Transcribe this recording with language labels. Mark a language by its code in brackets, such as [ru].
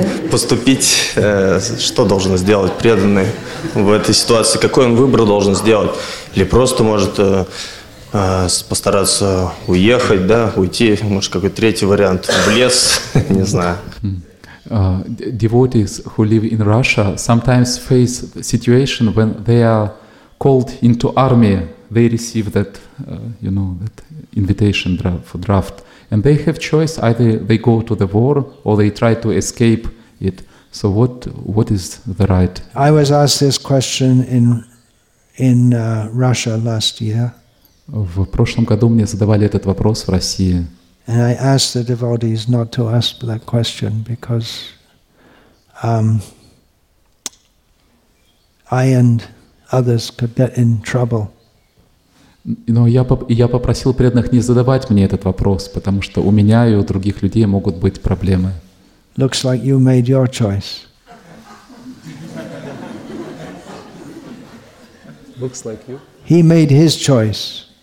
[ru] Поступить, что должен сделать преданный в этой ситуации? Какой он выбор должен сделать? Или просто может постараться уехать, да, уйти? Может, какой-то третий вариант? В лес? Не знаю. [en] Devotees who live in Russia sometimes face situation when they are called into army. They receive that, that invitation for draft, and they have choice: either they go to the war or they try to escape it. So, what is the right? I was asked this question in Russia last year. [ru] В прошлом году мне задавали этот вопрос в России. [en] And I asked the devotees not to ask that question because I and others could get in trouble. [ru] Но я попросил преданных не задавать мне этот вопрос, потому что у меня и у других людей могут быть проблемы. [en] Looks like you made your choice. Looks like you. He made his choice.